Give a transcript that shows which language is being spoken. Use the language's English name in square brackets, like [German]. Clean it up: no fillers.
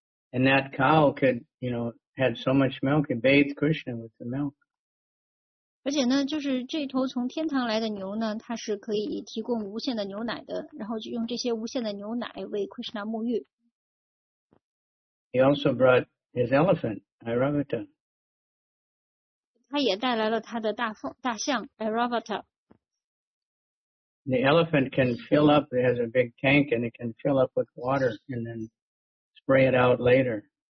[English] And that cow could, you know, had so much milk, it bathed Krishna with the milk. [Chinese] 而且呢，就是这头从天堂来的牛呢，它是可以提供无限的牛奶的，然后就用这些无限的牛奶为Krishna沐浴。 [English] He also brought his elephant, Airavata. [Chinese] 他也带来了他的大象Airavata. [English] the elephant can fill up, it has a big tank, and it can fill up with water and then spray it out later.